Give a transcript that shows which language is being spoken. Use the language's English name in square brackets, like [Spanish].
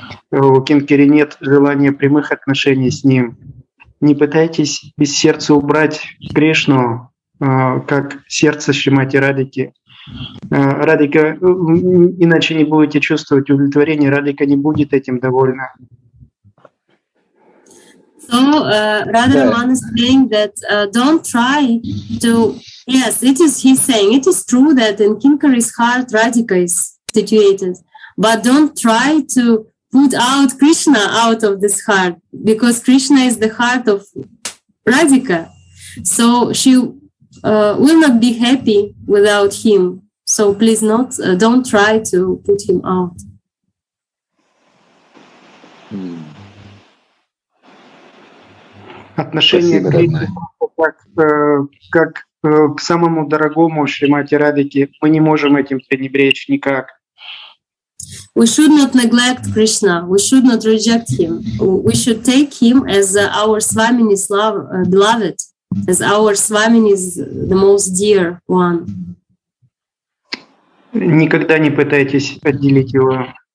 [Russian] У Кинкари нет желания прямых отношений с ним. Не пытайтесь из сердца убрать Кришну, как сердце Шримати Радики. Радика, иначе не будете чувствовать удовлетворение, Радика не будет этим довольна. [English] So, Radha Raman is saying that don't try to... Yes, it is, he's saying, it is true that in Kinkari's heart Radhika is situated, but don't try to put out Krishna out of this heart, because Krishna is the heart of Radhika. So she will not be happy without him. So please not, don't try to put him out. [Russian] Отношение к Кришне как к самому дорогому Шримати Радике мы не можем этим пренебречь никак. [English] We should not neglect Krishna. We should not reject him. We should take him as our Swamini's love, beloved, as our Swamini's the most dear one. [Russian] Никогда не пытайтесь отделить его.